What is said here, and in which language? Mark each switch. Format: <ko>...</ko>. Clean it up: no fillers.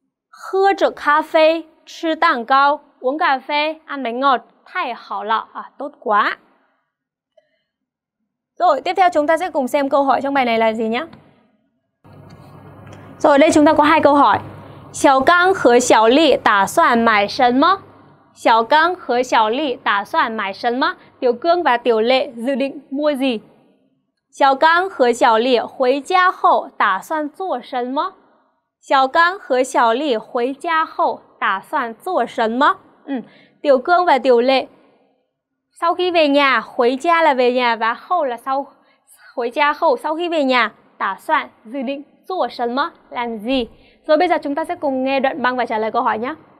<zh>喝着咖啡吃蛋糕,</zh> <vi>uống cà phê ăn bánh ngọt,</vi> <zh>太好了,</zh> <vi>à, tốt quá. Rồi, tiếp theo chúng ta sẽ cùng xem câu hỏi trong bài này là gì nhé. Rồi, đây chúng ta có hai câu hỏi.</vi> <zh>小刚和小丽打算买什么?小刚和小丽打算买什么?</zh> <vi>Tiểu Cương và Tiểu Lệ dự định mua gì?</vi> <zh>小刚和小丽回家后打算做什么？小刚和小丽回家后打算做什么？</zh> <vi>嗯 ，Tiểu Cương và Tiểu Lệ sau khi về nhà</vi> <zh>回家了</zh> <vi>về nhà và hậu là sau</vi> <zh>回家后</zh> <vi>sau khi về nhà</vi> <zh>打算</zh> <vi>dự định</vi> <zh>做什么</zh> <vi>làm gì？ Rồi bây giờ chúng ta sẽ cùng nghe đoạn băng và trả lời câu hỏi nhé.</vi>